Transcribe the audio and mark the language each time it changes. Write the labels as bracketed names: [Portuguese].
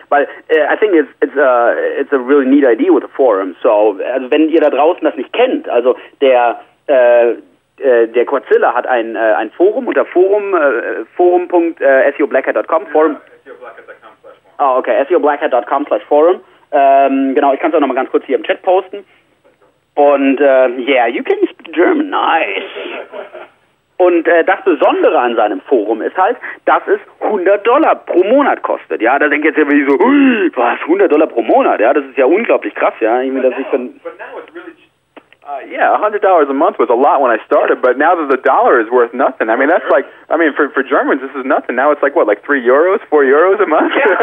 [German] Weil [English] I think it's a really neat idea with the forum. [German] So, also wenn ihr da draußen das nicht kennt, also der Quartzilla hat ein Forum unter forum.seoblackhat.com. seoblackhat.com/forum. Oh, okay. seoblackhat.com/forum. Genau, ich kann es auch noch mal ganz kurz hier im Chat posten. Und [English] yeah, you can speak German. Nice. [German] Und das Besondere an seinem Forum ist halt, dass es $100 pro Monat kostet. Ja, da denkt jetzt irgendwie so, was, $100 pro Monat? Ja, das ist ja unglaublich krass, ja. Ich meine, [English] $100 a month was a lot when I started, but now that the dollar is worth nothing, I mean, that's like, I mean, for Germans, this is nothing. Now it's like, what, like 3 euros, 4 euros a month?